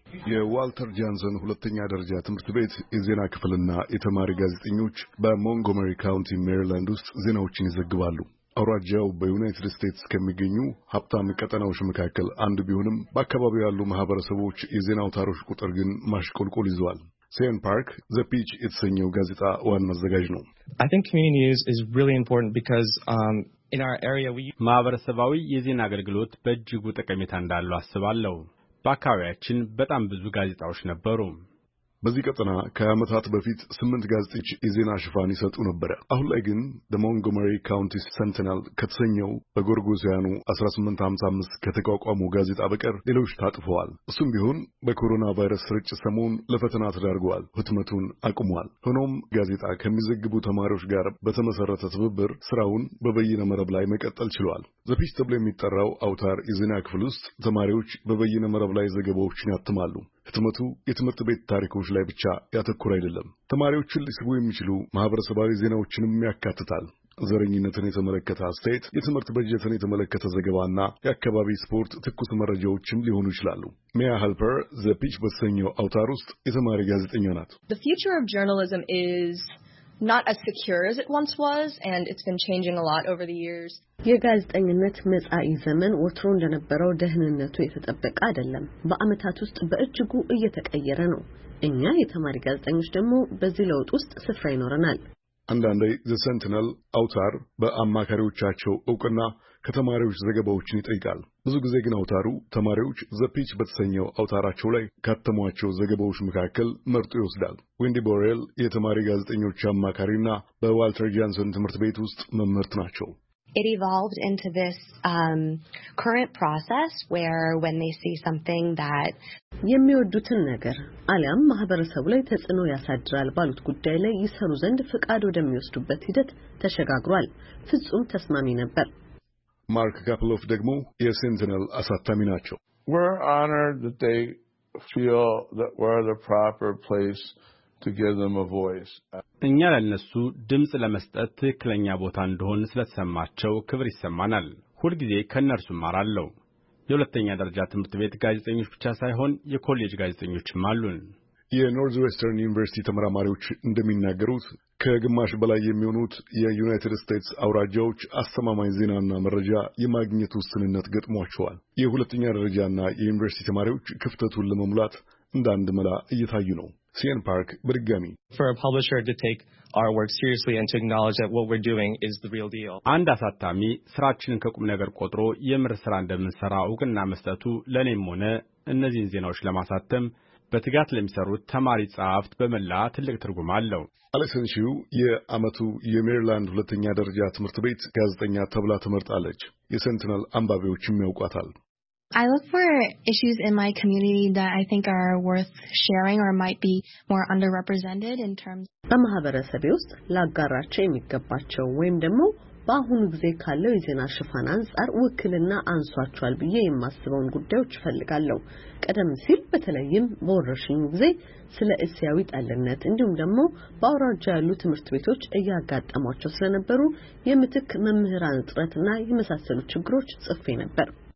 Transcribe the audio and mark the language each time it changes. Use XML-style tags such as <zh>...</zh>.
<am>የዋልተር ጃንሰን ሁለተኛ ደረጃ ትምህርት ቤት የዜና ክፍልና የተማሪ ጋዜጠኞች በሞንትጎመሪ ካውንቲ ሜሪላንድ ውስጥ ዜናዎችን ይዘግባሉ። አውራጃው በዩናይትድ ስቴትስ ከሚገኙ ሀብታም ቀጠናዎች መካከል አንዱ ቢሆንም በአካባቢው ያሉ ማህበረሰቦች የዜና አውታሮች ቁጥር ግን ማሽቆልቆል ይዟል። ሴን ፓርክ ዘ ፒች የተሰኘው ጋዜጣ ዋና አዘጋጅ ነው።</am> <en>I think community news is really important because in our area we</en> <am>ማህበረሰባዊ የዜና አገልግሎት በእጅጉ ጠቀሜታ እንዳለው አስባለሁ። በአካባቢያችን በጣም ብዙ ጋዜጣዎች ነበሩ። በዚህ ቀጠና ከዓመታት በፊት 8 ጋዜጦች የዜና ሽፋን ይሰጡ ነበር። አሁን ላይ ግን ዘ ሞንትጎመሪ ካውንቲ ሰንቲነል ከተሰኘው በጎርጎሳውያኑ 1855 ከተቋቋመው ጋዜጣ በቀር ሌሎች ታጥፈዋል። እሱም ቢሆን በኮሮና ቫይረስ ስርጭት ሰሞን ለፈተና ተዳርጓል፣ ህትመቱን አቁሟል። ሆኖም ጋዜጣ ከሚዘግቡ ተማሪዎች ጋር በተመሰረተ ትብብር ስራውን በበይነ መረብ ላይ መቀጠል ችሏል። ዘ ፒች ተብሎ የሚጠራው አውታር የዜና ክፍል ውስጥ ተማሪዎች በበይነ መረብ ላይ ዘገባዎችን ያትማሉ። ህትመቱ የትምህርት ቤት ታሪኮች ላይ ብቻ ያተኩር አይደለም። ተማሪዎችን ሊስቡ የሚችሉ ማህበረሰባዊ ዜናዎችንም ያካትታል። ዘረኝነትን የተመለከተ አስተያየት፣ የትምህርት በጀትን የተመለከተ ዘገባና የአካባቢ ስፖርት ትኩስ መረጃዎችም ሊሆኑ ይችላሉ። ሚያ ሃልፐር ዘፒች በተሰኘው አውታር ውስጥ የተማሪ ጋዜጠኛ ናት።</am> <en>The future of journalism is not as secure as it once was, and it's been changing a lot over the years.</en> <am>የጋዜጠኝነት መጻኢ ዘመን ወትሮ እንደነበረው ደህንነቱ የተጠበቀ አይደለም። በአመታት ውስጥ በእጅጉ እየተቀየረ ነው። እኛ የተማሪ ጋዜጠኞች ደግሞ በዚህ ለውጥ ውስጥ ስፍራ ይኖረናል። አንዳንዴ ዘ ሰንቲነል አውታር በአማካሪዎቻቸው እውቅና ከተማሪዎች ዘገባዎችን ይጠይቃል። ብዙ ጊዜ ግን አውታሩ ተማሪዎች ዘ ፒች በተሰኘው አውታራቸው ላይ ካተሟቸው ዘገባዎች መካከል መርጦ ይወስዳል። ዊንዲ ቦሬል የተማሪ ጋዜጠኞች አማካሪና በዋልተር ጃንሰን ትምህርት ቤት ውስጥ መምህርት ናቸው።</am> <en>It evolved into this current process where when they see something that</en> <am>የሚወዱትን ነገር አለም ማህበረሰቡ ላይ ተጽኖ ያሳድራል ባሉት ጉዳይ ላይ ይሰሩ ዘንድ ፍቃድ ወደሚወስዱበት ሂደት ተሸጋግሯል። ፍጹም ተስማሚ ነበር። ማርክ ጋፕሎፍ ደግሞ የሴንቲነል አሳታሚ ናቸው።</am> <en>We're honored that they feel that we're the proper place to give them a voice.</en> <am>እኛ ለነሱ ድምጽ ለመስጠት ክለኛ ቦታ እንደሆን ስለተሰማቸው ክብር ይስማናል። ሁልጊዜ ከነርሱ ማራለው። የሁለተኛ ደረጃ ትምህርት ቤት ጋዜጠኞች ብቻ ሳይሆን የኮሌጅ ጋዜጠኞችም አሉን። የኖርዝዌስተርን ዩኒቨርሲቲ ተመራማሪዎች እንደሚናገሩት ከግማሽ በላይ የሚሆኑት የዩናይትድ ስቴትስ አውራጃዎች አስተማማኝ ዜናና መረጃ የማግኘት ውስንነት ገጥሟቸዋል። የሁለተኛ ደረጃና የዩኒቨርሲቲ ተማሪዎች ክፍተቱን ለመሙላት እንዳንድ መላ እየታዩ ነው። CN Park Brigami</am> <en>For a publisher to take our work seriously and to acknowledge that what we're doing is the real deal.</en> <am>አንድ አሳታሚ ስራችንን ከቁም ነገር ቆጥሮ የምር ስራ እንደምንሰራ ውቅና መስጠቱ ለኔም ሆነ እነዚህን ዜናዎች ለማሳተም በትጋት ለሚሰሩት ተማሪ ጻፍት በመላ ትልቅ ትርጉም አለው። አሌክስን ሺው የአመቱ የሜሪላንድ ሁለተኛ ደረጃ ትምህርት ቤት ጋዜጠኛ ተብላ ተመርጣለች። የሴንቲነል አንባቢዎችም ያውቃታል።</am> <en>I look for issues in my community that I think are worth sharing or might be more underrepresented in terms of</en> <am>ማህበረሰብ ውስጥ ላጋራቸው የሚገባቸው ወይም ደግሞ በአሁን ጊዜ ካለው የዜና ሽፋን አንጻር ውክልና አንሷቸዋል ብዬ የማስበውን ጉዳዮች ፈልጋለሁ። ቀደም ሲል በተለይም በወረርሽኝ ጊዜ ስለ እስያዊ ጠልነት እንዲሁም ደግሞ በአውራጃ ያሉ ትምህርት ቤቶች እያጋጠሟቸው ስለነበሩ የምትክ መምህራን እጥረትና የመሳሰሉ ችግሮች ጽፌ ነበር።</am>